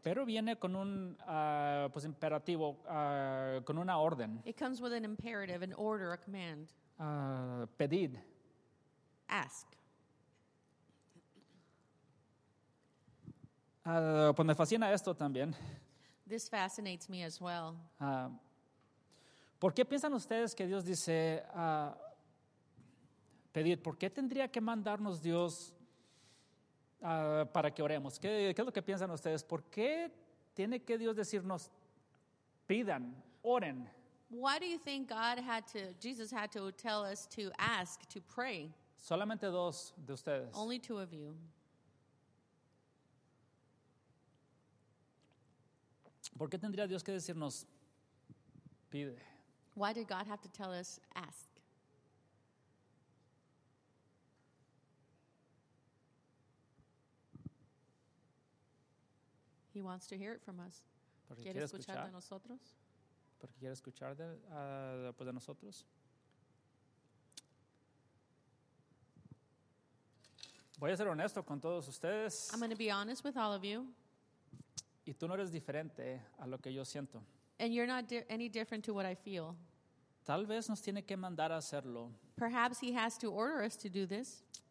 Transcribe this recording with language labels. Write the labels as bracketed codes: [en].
[es] Pero viene con un pues imperativo, con una orden. [en] It comes with an imperative, an order, a command. [es] Pedid. [en] Ask. [es] Pues me fascina esto también. [en] This fascinates me as well. [es] ¿Por qué piensan ustedes que Dios dice pedir? ¿Por qué tendría que mandarnos Dios para que oremos? ¿Qué es lo que piensan ustedes? ¿Por qué tiene que Dios decirnos pidan, oren? [en] Why do you think God had to, Jesus had to tell us to ask, to pray? [es] Solamente dos de ustedes. [en] Only two of you. [es] ¿Por qué tendría Dios que decirnos pide? [en] Why did God have to tell us ask? He wants to hear it from us. [es] ¿Quiere escuchar de nosotros? Porque quiere escuchar de nosotros. Voy a ser honesto con todos ustedes. [en] I'm going to be honest with all of you. [es] Y tú no eres diferente a lo que yo siento. [en] And you're not any different to what I feel. [es] Tal vez nos tiene que mandar a hacerlo. [en] Perhaps he has to order us to do this.